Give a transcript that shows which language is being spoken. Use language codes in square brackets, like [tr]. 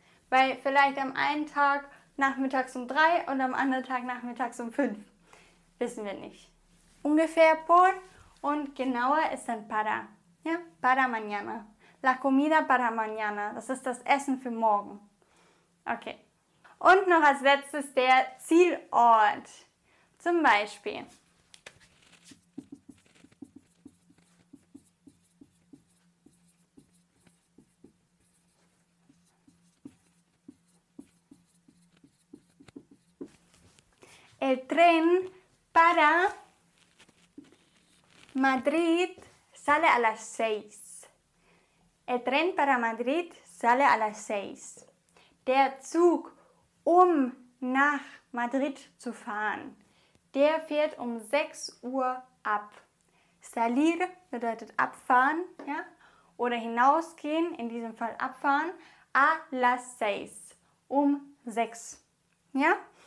[de] Weil vielleicht am einen Tag nachmittags um 3 und am anderen Tag nachmittags um 5. Wissen wir nicht. Ungefähr por und genauer ist dann para. [es] Ja, para mañana. La comida para mañana. [de] Das ist das Essen für morgen. Okay. Und noch als letztes der Zielort. Zum Beispiel, [es] el tren para Madrid sale a las 6. El tren para Madrid sale a las 6. [de] Der Zug, um nach Madrid zu fahren, der fährt um 6 Uhr ab. [es] Salir [de] bedeutet abfahren, ja? Oder hinausgehen, in diesem Fall abfahren, [es] a las 6, [de] um 6, ja?